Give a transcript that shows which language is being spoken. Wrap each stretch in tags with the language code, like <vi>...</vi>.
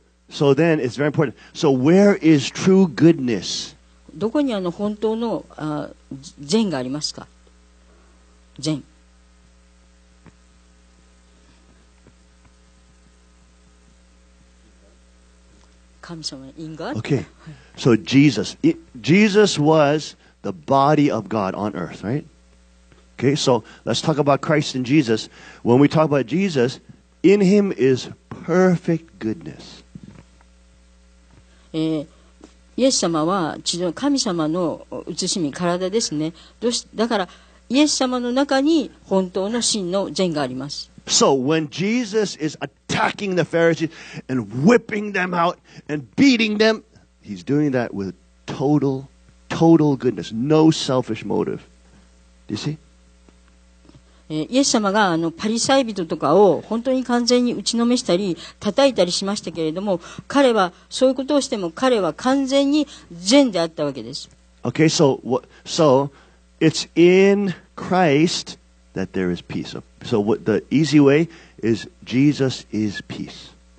<en>So then, it's very important. So where is true goodness?</en> <ja>どこにあの本当の善がありますか？善。神様、</ja> <en>in God? Okay. So Jesus, Jesus was the body of God on earth, right? Okay, so let's talk about Christ and Jesus. When we talk about Jesus, in him is perfect goodness.</en> <ja>イエス様は地上神様の写しみ体ですね。だからイエス様の中に本当の真の善があります。</ja> <en>So when Jesus is attacking the Pharisees and whipping them out and beating them, he's doing that with total, total goodness, no selfish motive. Do you see?</en> <ja>イエス様があのパリサイ人とかを本当に完全に打ちのめしたり叩いたりしましたけれども、彼はそういうことをしても彼は完全に善であったわけです。</ja> <en>Okay, so, what, so it's in Christ that there is peace. So what, the easy way is Jesus is peace.</en>